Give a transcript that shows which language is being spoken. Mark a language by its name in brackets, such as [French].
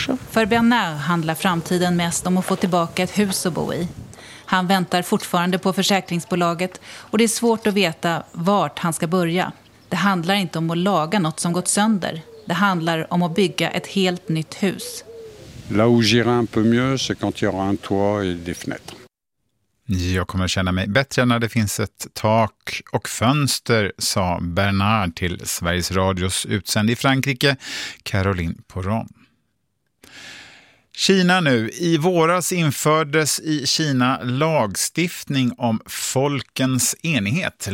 [Swedish] För Bernard handlar framtiden mest om att få tillbaka ett hus att bo i. Han väntar fortfarande på försäkringsbolaget och det är svårt att veta vart han ska börja. Det handlar inte om att laga något som gått sönder. Det handlar om att bygga ett helt nytt hus. [French] Là où j'irai un peu mieux, c'est quand il y aura un toit et des fenêtres. [Swedish] Jag kommer känna mig bättre när det finns ett tak och fönster, sa Bernard till Sveriges Radios utsänd i Frankrike, Caroline Poron. Kina nu. I våras infördes i Kina lagstiftning om folkens enighet.